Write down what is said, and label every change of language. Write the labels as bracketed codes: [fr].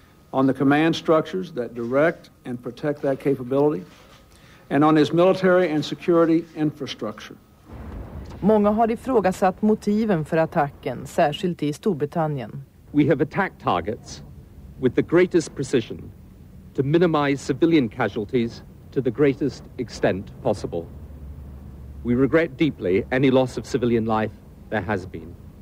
[en] On the command structures that direct and protect that capability. And on his military and security infrastructure. [sv] Många har ifrågasatt motiven för attacken, särskilt i Storbritannien. [en] We have attacked targets with the greatest precision to minimize civilian casualties to the greatest extent possible. We regret deeply any loss of civilian life there has been.